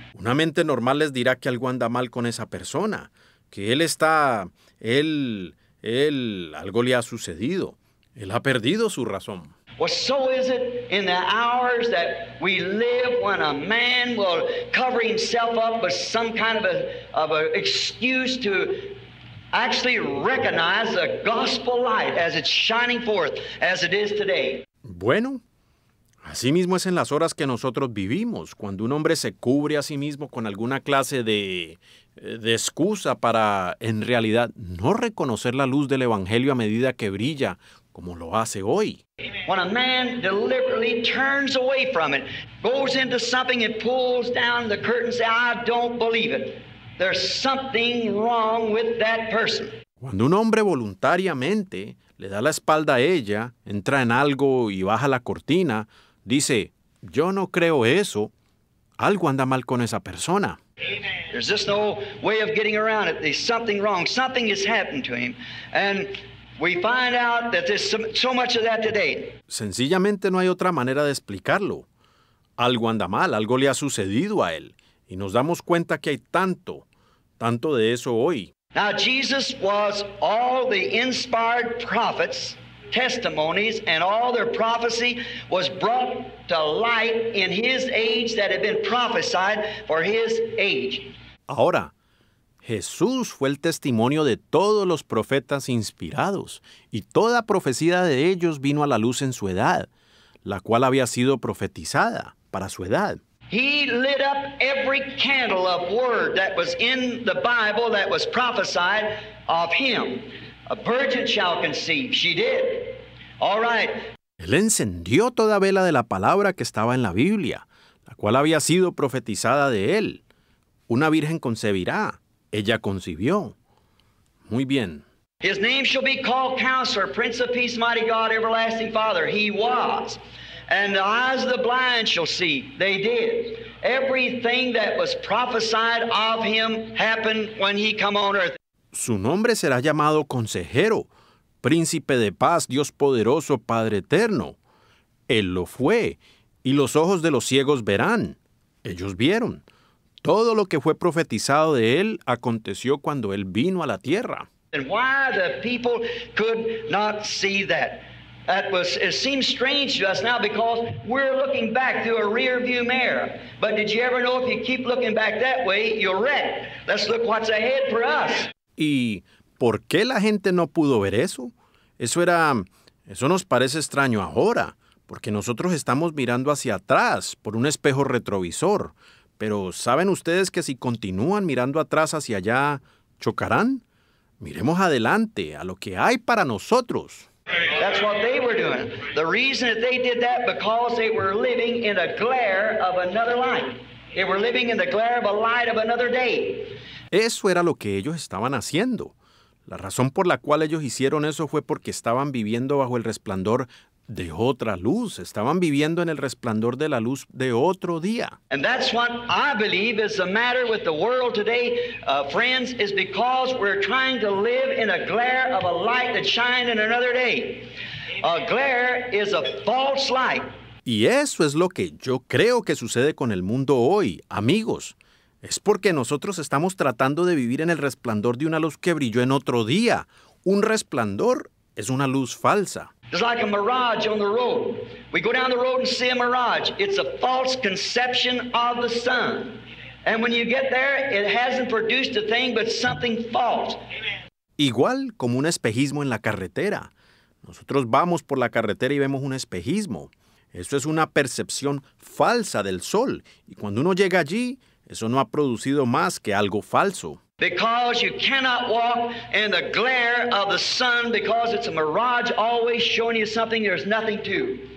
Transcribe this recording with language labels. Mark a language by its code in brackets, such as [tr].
[es] Una mente normal les dirá que algo anda mal con esa persona, que él está, él, algo le ha sucedido. Él ha perdido su razón. [en] Well, so is it in the hours that we live when a man will cover himself up with some kind of a excuse to actually recognize the gospel light as it's shining forth as it is today. [es] Bueno. Asimismo es en las horas que nosotros vivimos, cuando un hombre se cubre a sí mismo con alguna clase de excusa para, en realidad, no reconocer la luz del Evangelio a medida que brilla, como lo hace hoy. [en] When a man deliberately turns away from it, goes into something and pulls down the curtain and says, I don't believe it. There's something wrong with that person. [es] Cuando un hombre voluntariamente le da la espalda a ella, entra en algo y baja la cortina, dice, yo no creo eso, algo anda mal con esa persona. [en] There's just no way of getting around it. There's something wrong. Something has happened to him. And we find out that there's so much of that today. [es] Sencillamente no hay otra manera de explicarlo. Algo anda mal, algo le ha sucedido a él. Y nos damos cuenta que hay tanto de eso hoy. [en] Now, Jesus was all the inspired prophets' testimonies, and all their prophecy was brought to light in his age that had been prophesied for his age. [es] Ahora, Jesús fue el testimonio de todos los profetas inspirados, y toda profecía de ellos vino a la luz en su edad, la cual había sido profetizada para su edad. [en] He lit up every candle of word that was in the Bible that was prophesied of him. A virgin shall conceive. She did. All right. [es] Él encendió toda vela de la palabra que estaba en la Biblia, la cual había sido profetizada de él. Una virgen concebirá. Ella concibió. Muy bien. [en] His name shall be called Counselor, Prince of Peace, Mighty God, Everlasting Father. He was. And the eyes of the blind shall see. They did. Everything that was prophesied of him happened when he came on earth. [es] Su nombre será llamado Consejero, Príncipe de Paz, Dios Poderoso, Padre Eterno. Él lo fue, y los ojos de los ciegos verán. Ellos vieron. Todo lo que fue profetizado de él aconteció cuando él vino a la tierra. [en] And why the people could not see that? It seems strange to us now because we're looking back through a rear view mirror. But did you ever know if you keep looking back that way, you'll wreck? Let's look what's ahead for us. [es] ¿Y por qué la gente no pudo ver eso? Eso nos parece extraño ahora, porque nosotros estamos mirando hacia atrás por un espejo retrovisor. Pero ¿saben ustedes que si continúan mirando atrás hacia allá, chocarán? Miremos adelante a lo que hay para nosotros. [en] That's what they were doing. The reason that they did that because they were living in a glare of another light. They were living in the glare of a light of another day. [es] Eso era lo que ellos estaban haciendo. La razón por la cual ellos hicieron eso fue porque estaban viviendo bajo el resplandor de otra luz. Estaban viviendo en el resplandor de la luz de otro día. [en] And that's what I believe is the matter with the world today, friends, is because we're trying to live in a glare of a light that shines in another day. A glare is a false light. [es] Y eso es lo que yo creo que sucede con el mundo hoy, amigos. Es porque nosotros estamos tratando de vivir en el resplandor de una luz que brilló en otro día. Un resplandor es una luz falsa. [en] It's like a mirage on the road. We go down the road and see a mirage. It's a false conception of the sun. And when you get there, it hasn't produced a thing but something false. [es] Igual como un espejismo en la carretera. Nosotros vamos por la carretera y vemos un espejismo. Eso es una percepción falsa del sol. Y cuando uno llega allí, eso no ha producido más que algo falso. [en] Because you cannot walk in the glare of the sun because it's a mirage always showing you something there's nothing to.